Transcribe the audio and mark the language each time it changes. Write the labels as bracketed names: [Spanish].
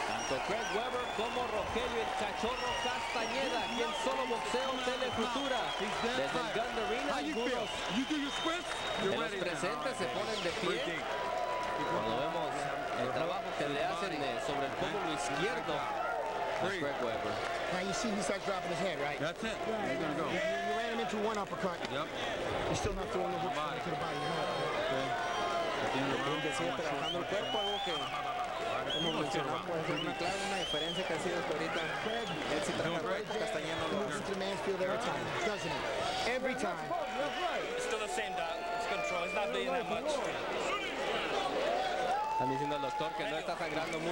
[Spanish] Craig Weber como Rogelio el Cachorro Castañeda, aquí en Solo Boxeo Telefutura, desde el Gund Arena. Algunos de los presentes se ponen de pie cuando vemos el trabajo que le hacen sobre el pómulo izquierdo a Craig Weber. [English] Now you see he starts dropping his head, right? That's it. There you go. You ran him into one uppercut. Yep. He's still not throwing the hook to the body. Okay. [Spanish] Trabajando el cuerpo, algo que como mencionamos, es una clave, una diferencia que ha sido hasta ahorita. Él sí trabaja el cuerpo, Castañeda no lo hace. [English] Every time. Still the same, Doc. It's control. It's not being that much. [Spanish] Están diciendo al doctor que no está sangrando mucho.